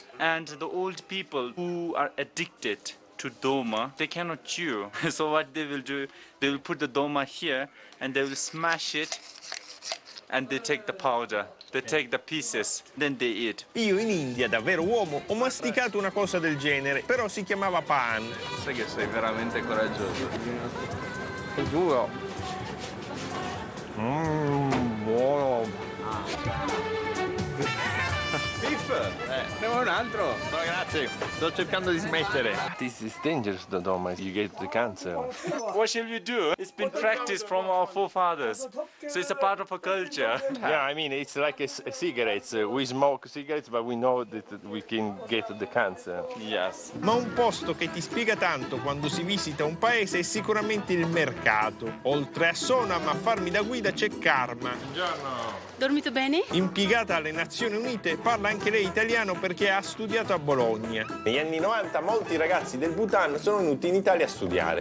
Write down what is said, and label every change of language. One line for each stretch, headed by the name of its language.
English: And the old people who are addicted to Doma, they cannot chew. So what they will do, they will put the Doma here and they will smash it and they take the powder. They take the pieces, then they eat.
Italian: Io in India, da vero uomo, ho masticato una cosa del genere, però si chiamava pan. Sai che sei veramente coraggioso. È duro. Buono. Ne vuoi un altro? No, grazie. Sto cercando di smettere.
English: This is dangerous, Dodoma. You get the cancer. What shall we do? It's been practiced from our forefathers. So it's a part of a culture. Yeah, I mean, it's like a cigarettes. We smoke cigarettes, but we know that we can get the cancer. Yes.
Italian: Ma un posto che ti spiega tanto quando si visita un paese è sicuramente il mercato. Oltre a Sonam, a farmi da guida c'è Karma. Buongiorno. Dormito bene? Impiegata alle Nazioni Unite, parla anche lei italiano perché ha studiato a Bologna. Negli anni 90 molti ragazzi del Bhutan sono venuti in Italia a studiare.